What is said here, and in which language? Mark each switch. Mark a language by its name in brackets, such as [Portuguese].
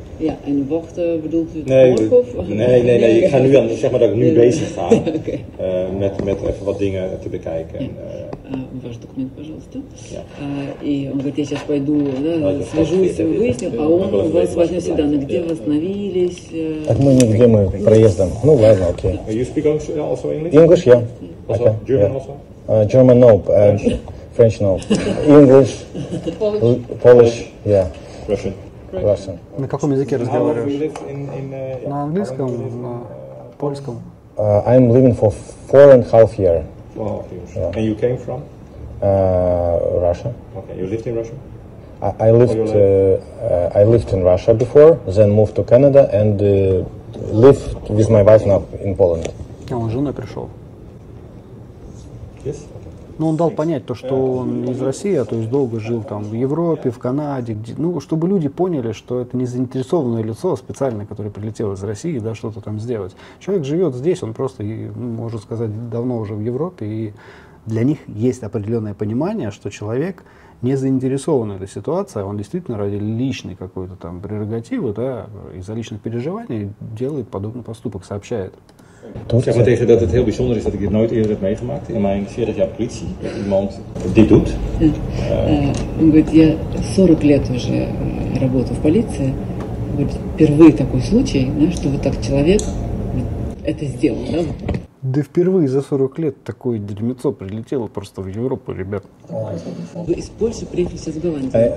[Dutch] Ja, en wachten bedoelt u het Nee. Ik ga nu aan, zeg maar dat ik nu bezig ga okay. met even wat dingen te bekijken. [Russian] Ваш документ, пожалуйста. И он говорит, я сейчас пойду, да, свяжусь, выясню, а он у вас возьмет все данные, где вы остановились. Так мы нигде, мы проездом. Ну ладно, окей. [English] Okay. You speak also English? English, yeah. Also, okay. German also? German, no. French, no. English. Polish, yeah. Russian. [Russian] На каком языке разговариваешь? На английском, на польском. [English] I'm living for 4.5 years. Yeah. And you came from? Russia. Okay, you lived in Russia? I lived in Russia before, then moved to Canada and lived with my wife now in Poland. [Russian] А он с женой пришел? [English] Yes. [Russian] Ну, он дал понять то, что он из России, а то есть долго жил там в Европе, в Канаде, где, ну, чтобы люди поняли, что это не заинтересованное лицо специальное, которое прилетело из России, да, что-то там сделать. Человек живет здесь, он просто, можно сказать, давно уже в Европе, и для них есть определенное понимание, что человек не заинтересован в этой ситуации, он действительно ради личной какой-то там прерогативы, да, из-за личных переживаний делает подобный поступок, сообщает. [Dutch] Zeg maar tegen dat het heel bijzonder is dat ik dit nooit eerder heb meegemaakt in mijn 40 jaar politie, dat iemand dit doet. [Russian] Он говорит, я 40 лет уже работаю в полиции. Вот впервые такой случай, да, что вот так человек это сделал, да? Да впервые за 40 лет такое дерьмецо прилетело просто в Европу, ребят. Вы из Польши приехали сейчас в Голландию?